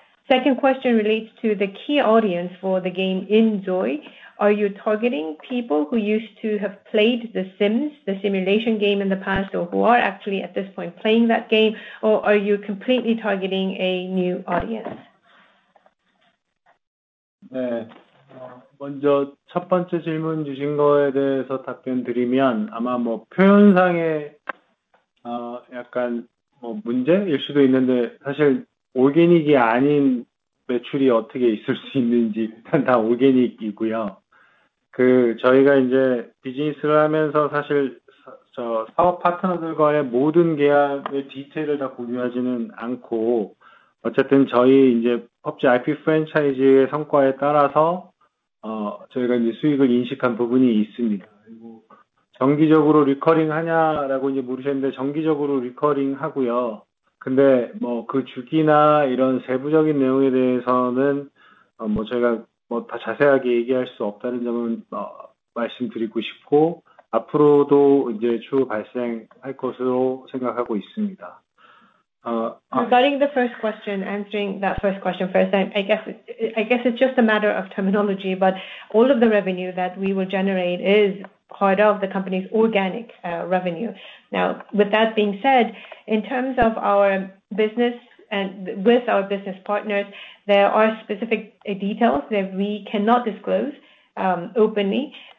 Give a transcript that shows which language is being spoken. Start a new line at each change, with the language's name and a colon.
English: Second question relates to the key audience for the game inZOI. Are you targeting people who used to have played The Sims, the simulation game in the past, or who are actually at this point playing that game, or are you completely targeting a new audience?
Korean: 네, 먼저 첫 번째 질문 주신 거에 대해서 답변드리면, 아마 표현상의 약간 문제일 수도 있는데, 사실 오가닉이 아닌 매출이 어떻게 있을 수 있는지, 일단 다 오가닉이고요. 저희가 이제 비즈니스를 하면서 사실 사업 파트너들과의 모든 계약의 디테일을 다 공유하지는 않고, 어쨌든 저희 이제 PUBG IP 프랜차이즈의 성과에 따라서 저희가 이제 수익을 인식한 부분이 있습니다. 그리고 정기적으로 리커링 하냐라고 이제 물으셨는데, 정기적으로 리커링 하고요. 근데그 주기나 이런 세부적인 내용에 대해서는 저희가 다 자세하게 얘기할 수 없다는 점은 말씀드리고 싶고, 앞으로도 이제 추후 발생할 것으로 생각하고 있습니다.
English: Regarding the first question, answering that first question first, I guess it's just a matter of terminology, but all of the revenue that we will generate is part of the company's organic revenue. Now, with that being said, in terms of our business and with our business partners, there are specific details that we cannot disclose openly.